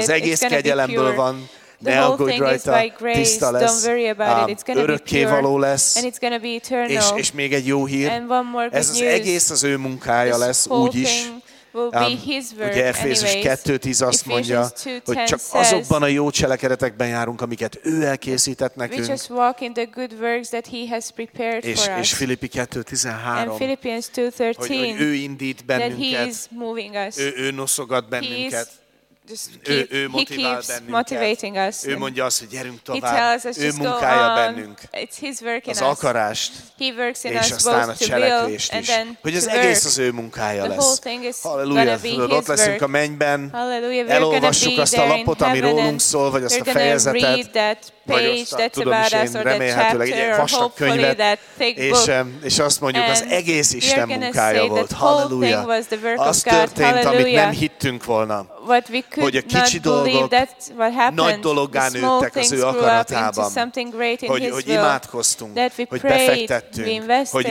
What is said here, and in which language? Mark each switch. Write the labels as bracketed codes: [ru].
[hu] Az egész kegyelemből van. Ne aggódj rajta, tiszta lesz, örökkévaló lesz, és még egy jó hír, ez az egész az ő munkája [en] this [hu] lesz, úgyis. Ugye Efézus 2:10 azt mondja, hogy csak azokban a jó cselekedetekben járunk, amiket ő elkészített nekünk. [en] We just walk in the good works that he has prepared for us. [hu] És Filippi 2:13. [en] And Philippians 2:13. [hu] Hogy ő indít bennünket. [en] That he is moving us. [hu] Ő noszogat bennünket. Ő motivál bennünket. Ő mondja azt, hogy gyerünk tovább. Ő munkája bennünk. [en] It's his work in [hu] az akarást. [en] He works in [hu] és aztán a cselekvést is. Hogy az egész az ő munkája lesz. Halleluja. Ott leszünk a mennyben. [en] Hallelujah. [hu] Elolvassuk azt a lapot, ami rólunk szól, vagy azt a fejezetet. [en] We're gonna read that page that's about us or that chapter or hopefully that thick book. [hu] És azt mondjuk, az egész Isten munkája volt. Halleluja. Az történt, amit nem hittünk volna. [en] What we could [hu] hogy a kicsi dolgok [en] what happened, [hu] nagy dologgá nőttek az ő akaratában, hogy imádkoztunk, [en] prayed, [hu] hogy befektettünk, [en] invested,